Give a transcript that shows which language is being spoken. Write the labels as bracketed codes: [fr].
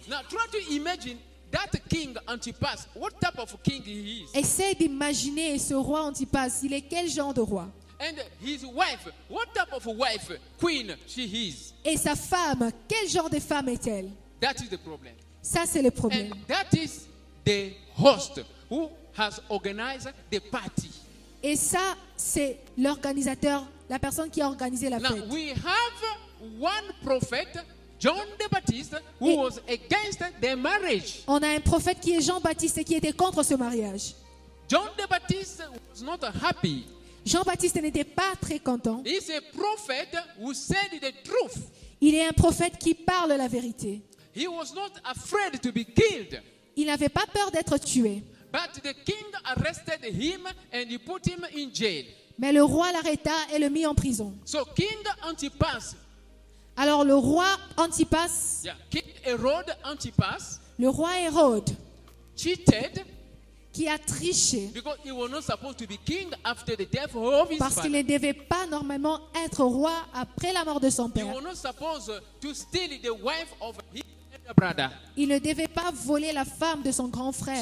[en] Now try to imagine that king Antipas, what type of king he is? [fr] Essaye d'imaginer ce roi Antipas, il est quel genre de roi? [en] And his wife, what type of wife, queen she is? [fr] Et sa femme, quel genre de femme est-elle? [en] That is the problem. [fr] Ça c'est le problème. [en] And that is the host who has organized the party. [fr] Et ça c'est l'organisateur, la personne qui a organisé la fête. [en] Now we have one prophet, John the Baptist, who was against the marriage. [fr] On a un prophète qui est Jean-Baptiste et qui était contre ce mariage. [en] John the Baptist was not happy. [fr] Jean-Baptiste n'était pas très content. [en] He's a prophet who said the truth. [fr] Il est un prophète qui parle la vérité. [en] He was not afraid to be killed. [fr] Il n'avait pas peur d'être tué. [en] But the king arrested him and he put him in jail. [fr] Mais le roi l'arrêta et le mit en prison. [en] So King Antipas. [fr] Alors le roi Antipas, [en] yeah. King Herod Antipas, [fr] le roi Hérode, [en] cheated, [fr] qui a triché, [en] because he was not supposed to be king after the death of his father. [fr] Parce qu'il ne devait pas normalement être roi après la mort de son père. [en] He was not supposed to steal the wife of his brother. [fr] Il ne devait pas voler la femme de son grand frère.